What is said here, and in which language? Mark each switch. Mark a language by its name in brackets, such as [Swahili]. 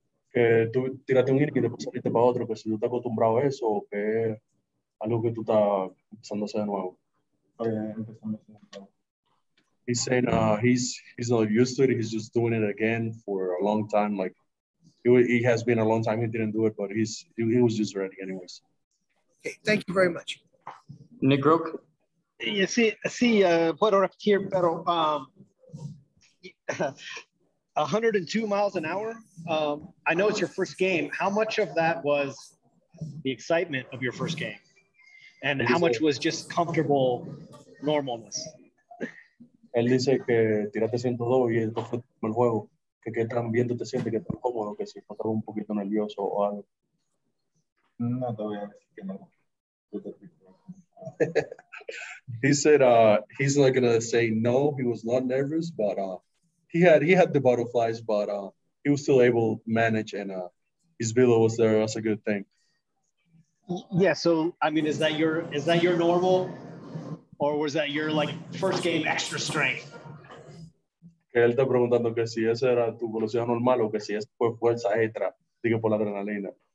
[Spanish] Que tú tiraste un inning y después saliste para otro, que si tú estás acostumbrado a eso, que es algo que tú estás empezando a hacer de nuevo. [English] He's saying he's not used to it. He's just doing it again for a long time. Like he has been a long time. He didn't do it, but he was just ready anyways. Okay, thank you very much. Nick Roque. Yeah, [Spanish] sí, puedo repetir, pero 102 [English] miles an hour. I know it's your first game. How much of that was the excitement of your first game? And how much was just comfortable normalness? [Spanish] Él dice que tiraste 102 y esto fue el juego. Que qué tan bien tú te sientes, que tan cómodo, que si estaba un poquito nervioso o algo. No, todavía que no. [English] He said he's not gonna say no, he was not nervous, but he had the butterflies, but he was still able to manage, and his velo was there. That's a good thing. Yeah, so I mean, is that your normal, or was that your like first game extra strength? [Spanish] Él está preguntando que si esa era tu velocidad normal o que si fue fuerza extra, digo por la adrenalina.